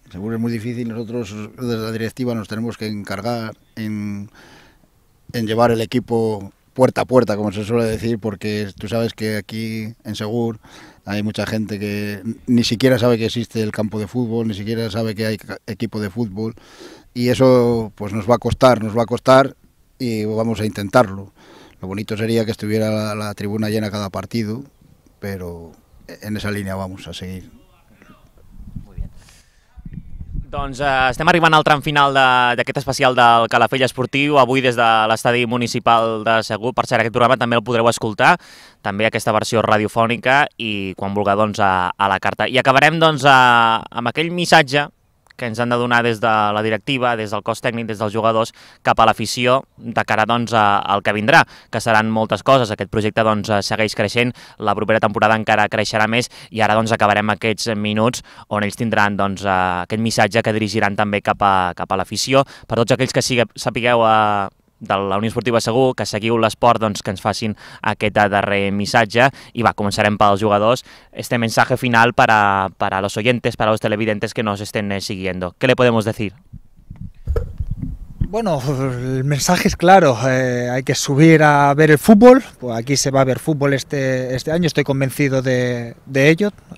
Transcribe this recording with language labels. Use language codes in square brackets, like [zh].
[es] Segur es muy difícil, nosotros desde la directiva nos tenemos que encargar en llevar el equipo puerta a puerta, como se suele decir, porque tú sabes que aquí en Segur hay mucha gente que ni siquiera sabe que existe el campo de fútbol, ni siquiera sabe que hay equipo de fútbol, y eso pues nos va a costar, y vamos a intentarlo. Lo bonito sería que estuviera la tribuna llena cada partido, pero en esa línea vamos a seguir. [ca] Doncs estem arribant al tram final d'aquest especial del Calafell Esportiu, avui des de l'estadi municipal de Segur. Per cert, aquest programa també el podreu escoltar, també aquesta versió radiofònica, i quan vulgui, doncs, a la carta. I acabarem, doncs, amb aquell missatge que ens han de donar des de la directiva, des del cos tècnic, des dels jugadors, cap a l'afició de cara, doncs, al que vindrà, que seran moltes coses. Aquest projecte, doncs, segueix creixent, la propera temporada encara creixerà més, i ara, doncs, acabarem aquests minuts on ells tindran, doncs, aquest missatge que dirigiran també cap a l'afició. Per tots aquells que sapigueu de la Unió Esportiva Segur, que seguiu l'esport, doncs, que ens facin aquest darrer missatge. I va, començarem pels jugadors. [es] Este mensaje final para los oyentes, para los televidentes que nos estén siguiendo. ¿Qué le podemos decir? Bueno, el mensaje es claro. Hay que subir a ver el fútbol. Pues aquí se va a ver fútbol este año, estoy convencido de ello.